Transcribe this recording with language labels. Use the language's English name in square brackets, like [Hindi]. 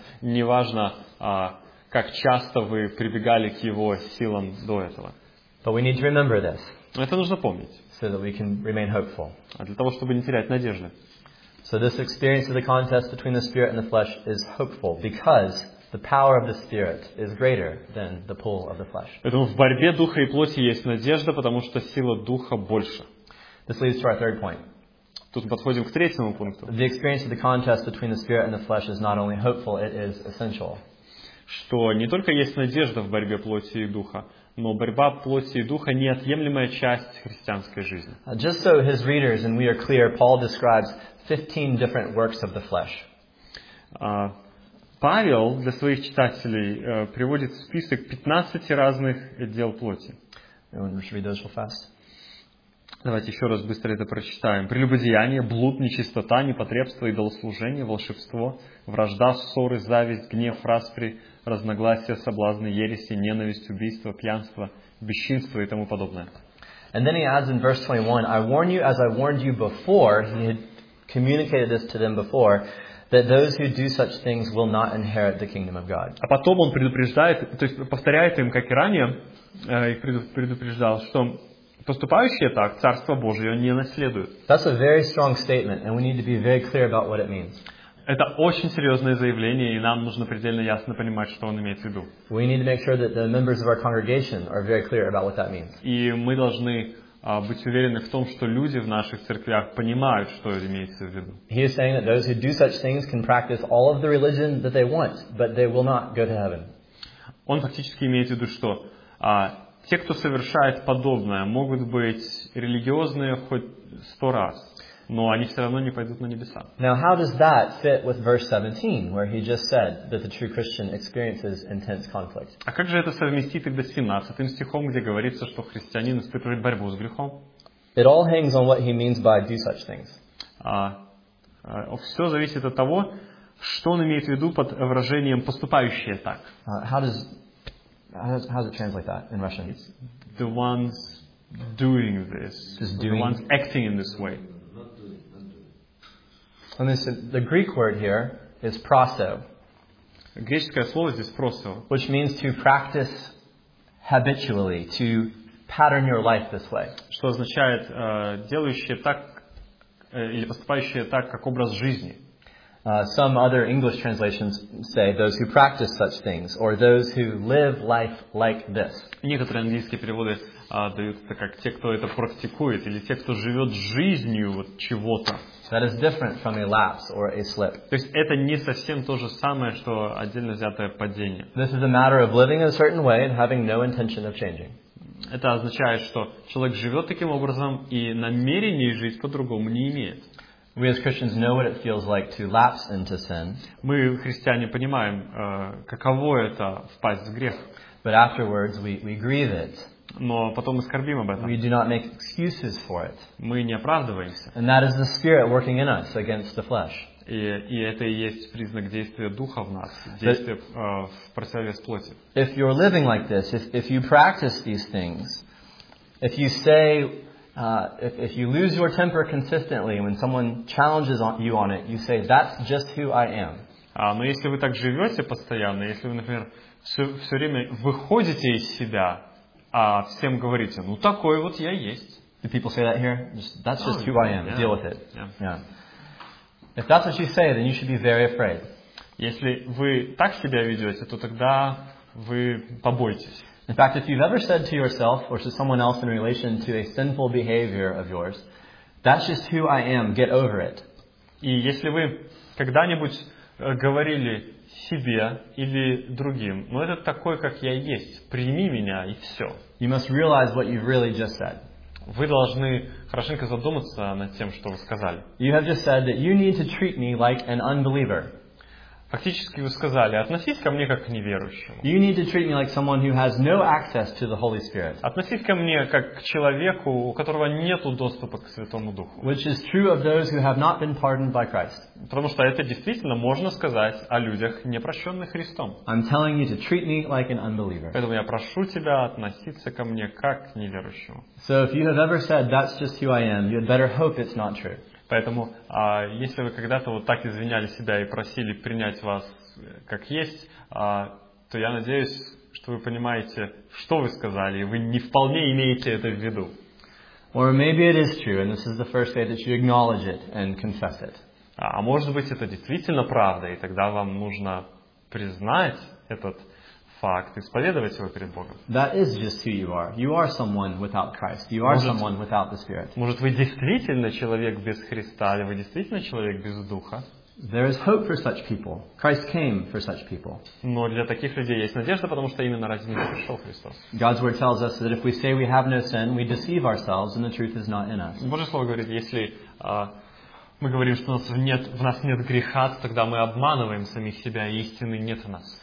[Russian] Неважно, как часто вы прибегали к его силам до этого. [English] But we need to remember this. [Russian] Это нужно помнить. [English] So that we can remain hopeful. [Russian] Для того, чтобы не терять надежды. [English] So this experience of the contest between the spirit and the flesh is hopeful because the power of the spirit is greater than the pull of the flesh. [Russian] Поэтому в борьбе духа и плоти есть надежда, потому что сила духа больше. [English] This leads to our third point. [Russian] Тут мы подходим к третьему пункту. [English] The experience of the contest between the spirit and the flesh is not only hopeful, it is essential. [Russian] Что не только есть надежда в борьбе плоти и духа, но борьба плоти и духа – неотъемлемая часть христианской жизни. [English] Just so his readers and we are clear, Paul describes 15 different works of the flesh. [Russian] Павел для своих читателей приводит список 15 разных дел плоти. Давайте еще раз быстро это прочитаем. Прелюбодеяние, блуд, нечистота, непотребство, идолослужение, волшебство, вражда, ссоры, зависть, гнев, распри, разногласия, соблазны, ереси, ненависть, убийство, пьянство, бесчинство и тому подобное. [English] And then he adds in verse 21, I warn you as I warned you before, he had communicated this to them before, that those who do such things will not inherit the kingdom of God. [Russian] А потом он предупреждает, то есть повторяет им, как и ранее, их предупреждал, что поступающие так, Царство Божие не наследуют. [English] That's a very strong statement, and we need to be very clear about what it means. [Russian] Это очень серьезное заявление, и нам нужно предельно ясно понимать, что он имеет в виду. [English] We need to make sure that the members of our congregation are very clear about what that means. [Russian] И мы должны быть уверены в том, что люди в наших церквях понимают, что имеется в виду. [English] He is saying that those who do such things can practice all of the religion that they want, but they will not go to heaven. [Russian] Он фактически имеет в виду, что те, кто совершает подобное, могут быть религиозные хоть 100 раз, но они все равно не пойдут на небеса. [English] Now, how does that fit with verse 17, where he just said that the true Christian experiences intense conflict? [Russian] А как же это совместить тогда с 17 стихом, где говорится, что христианин испытывает борьбу с грехом? [English] It all hangs on what he means by do such things. [Russian] Все зависит от того, что он имеет в виду под выражением «поступающие так». [English] How does it translate that in Russian? It's the ones doing this. Just doing? The ones acting in this way. And this, the Greek word here is proso. [Russian] Греческое слово здесь просто. [English] Which means to practice habitually, to pattern your life this way. [Russian] Что означает делающие так или поступающие так как образ жизни. [English] Some other English translations say those who practice such things or those who live life like this. [Russian] Некоторые английские переводы даются как те, кто это практикует или те, кто живет жизнью вот чего-то. [English] That is different from a lapse or a slip. [Russian] То есть это не совсем то же самое, что отдельно взятое падение. [English] This is a matter of living a certain way and having no intention of changing. [Russian] Это означает, что человек живет таким образом и намерений жить по-другому не имеет. [English] We as Christians know what it feels like to lapse into sin. [Russian] Мы христиане понимаем, каково это впасть в грех. [English] But afterwards we grieve it. [Russian] Но потом мы скорбим об этом. [English] We do not make excuses for it. [Russian] Мы не оправдываемся. [English] And that is the spirit working in us against the flesh. [Russian] И это и есть признак действия духа в нас, действия в противовес с плоти. [English] If you're living like this, if you practice these things, if you say if you lose your temper consistently when someone challenges you on it, you say that's just who I am. [Russian] Но если вы так живете постоянно, если вы, например, все время выходите из себя, а всем говорите, ну такой вот я есть. [English] Do people say that here? That's just who I am. Yeah. Deal with it. Yeah. If that's what you say, then you should be very afraid. [Russian] Если вы так себя ведете, то тогда вы побойтесь. [English] In fact, if you've ever said to yourself or to someone else in relation to a sinful behavior of yours, that's just who I am, get over it. [Russian] И если вы когда-нибудь говорили себе или другим, ну это такой, как я есть, прими меня и все. [English] You must realize what you've really just said. [Russian] Вы должны хорошенько задуматься над тем, что вы сказали. [English] You have just said that you need to treat me like an unbeliever. [Russian] Фактически вы сказали, относись ко мне как к неверующему. [English] You need to treat me like someone who has no access to the Holy Spirit. [Russian] Относись ко мне как к человеку, у которого нету доступа к Святому Духу. [English] Which is true of those who have not been pardoned by Christ. [Russian] Потому что это действительно можно сказать о людях, не прощенных Христом. [English] I'm telling you to treat me like an unbeliever. [Russian] Поэтому я прошу тебя относиться ко мне как к неверующему. [English] So if you have ever said that's just who I am, you had better hope it's not true. [Russian] Поэтому, если вы когда-то вот так извиняли себя и просили принять вас как есть, то я надеюсь, что вы понимаете, что вы сказали, и вы не вполне имеете это в виду. [English] Or maybe it is true, and this is the first day that you acknowledge it and confess it. [Russian] А может быть, это действительно правда, и тогда вам нужно признать этот факт, исповедовать его перед Богом. [English] That is just who you are. You are someone without Christ. You are someone without the Spirit. [Russian] Может, вы действительно человек без Христа, или вы действительно человек без Духа? [English] There is hope for such people. Christ came for such people. [Russian] Но для таких людей есть надежда, потому что именно ради них пришел Христос. [English] God's word tells us that if we say we have no sin, we deceive ourselves, and the truth is not in us. [Russian] Божье слово говорит, если мы говорим, что в нас нет греха, тогда мы обманываем самих себя, и истины нет в нас.